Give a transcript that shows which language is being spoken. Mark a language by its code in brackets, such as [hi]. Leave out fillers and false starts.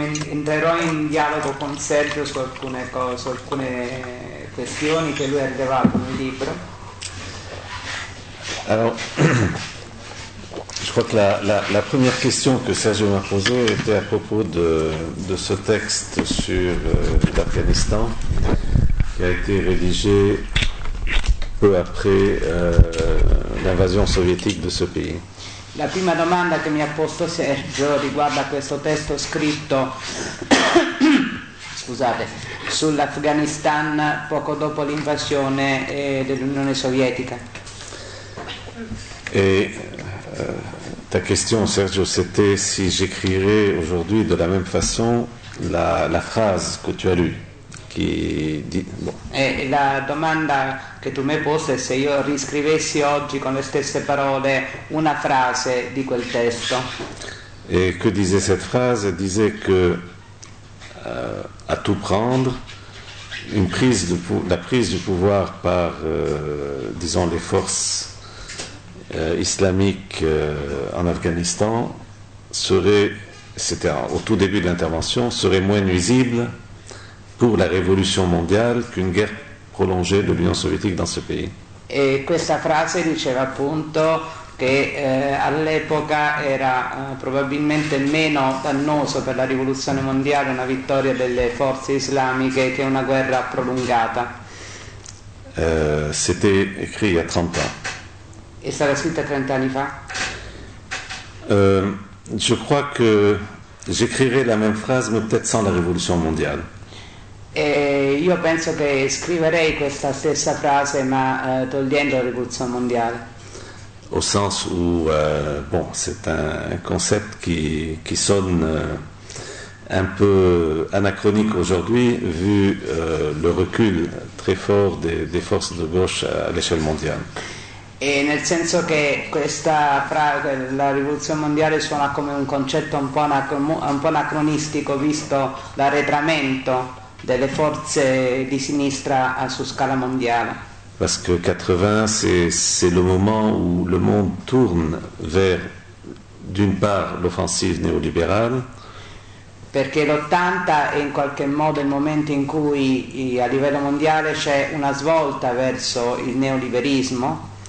[it] Entrerò in dialogo con Sergio su alcune cose, su alcune questioni che lui ha rilevato nel libro. [fr] Alors, je crois que la première question que Sergio m'a posée était à propos de ce texte sur l'Afghanistan qui a été rédigé peu après l'invasion soviétique de ce pays. [it] La prima domanda che mi ha posto Sergio riguarda questo testo scritto scusate, sull'Afghanistan poco dopo l'invasione dell'Unione Sovietica. [fr] E ta question Sergio c'était si j'écrirais aujourd'hui de la même façon la phrase que tu as lu qui dit bon. [it] E la domanda che tu mi hai posto se io riscrivessi oggi con le stesse parole una frase di quel testo. [fr] E che disait cette phrase? Disait che a tout prendre, la prise du pouvoir par, disons, les forces islamiques en Afghanistan serait, c'était au tout début de l'intervention, serait moins nuisible pour la révolution mondiale qu'une guerre prolongée de l'Union soviétique dans ce pays. [it] E questa frase diceva appunto che all'epoca era probabilmente meno dannoso per la rivoluzione mondiale una vittoria delle forze islamiche che una guerra prolungata. [fr] C'était écrit il y a 30 ans. [it] E sarà scritta 30 anni fa? [fr] Je crois que j'écrirai la même phrase mais peut-être sans la révolution mondiale. [it] E io penso che scriverei questa stessa frase ma togliendo la rivoluzione mondiale. [fr] Au sens où, bon, c'est un concept qui sonne un peu anachronique aujourd'hui, vu le recul très fort des forces de gauche à l'échelle mondiale. [it] E nel senso che questa frase, la rivoluzione mondiale, suona come un concetto un po' anacronistico, visto l'arretramento delle forze di sinistra su scala mondiale. [fr] Parce que 80 c'est le moment où le monde tourne vers d'une part l'offensive néolibérale. [it] Perché l'80 è in qualche modo il momento in cui a livello mondiale c'è una svolta verso il neoliberismo.